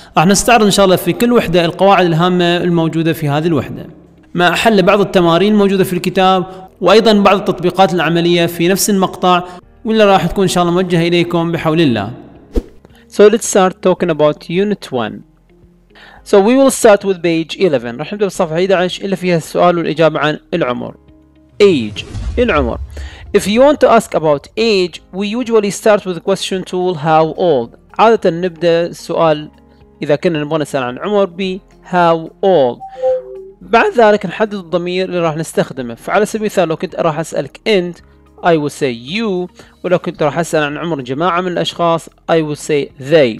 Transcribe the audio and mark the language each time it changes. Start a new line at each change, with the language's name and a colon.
Arabic: راح نستعرض إن شاء الله في كل وحدة القواعد الهامة الموجودة في هذه الوحدة، ما أحل بعض التمارين الموجودة في الكتاب، وأيضا بعض التطبيقات العملية في نفس المقطع، واللي راح تكون إن شاء الله موجهة إليكم بحول الله.
English: So let's start talking about unit 1. So we will start with page 11.
Arabic: رح نبدأ بالصفحة 11 اللي فيها السؤال والإجابة عن العمر.
English: Age، العمر. If you want to ask about age, we usually start with the question tool how old.
Arabic: عادة نبدأ السؤال إذا كنا نبغى نسأل عن عمر ب how old. بعد ذلك نحدد الضمير اللي راح نستخدمه. فعلى سبيل المثال لو كنت راح أسألك أنت
English: I will say you،
Arabic: ولو كنت راح أسأل عن عمر جماعة من الأشخاص
English: I will say they.